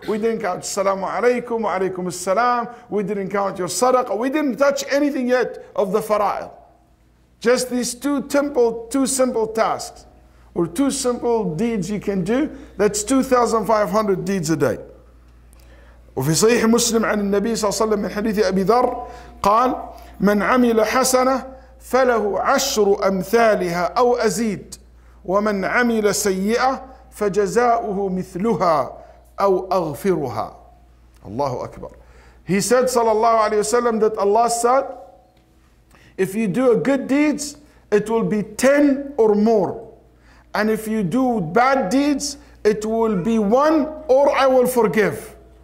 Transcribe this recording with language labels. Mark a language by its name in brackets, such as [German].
[English] We didn't count Assalamu Alaikum, Wa Alaikum Assalam. We didn't count your Sadaqah. We didn't touch anything yet of the fara'il. Just these two simple tasks or two simple deeds you can do, that's 2,500 deeds a day. [Arabic] وفي صحيح مسلم عن النبي صلى الله عليه وسلم من حديث أبي ذر قال من عمل حسنة فله عشر أمثالها أو أزيد ومن عمل سيئة فجزاؤه مثلها أو أغفرها. الله أكبر. [English] He said [Arabic] صلى الله عليه وسلم [English] that Allah said if you do good deeds it will be 10 or more and if you do bad deeds it will be 1 or I will forgive.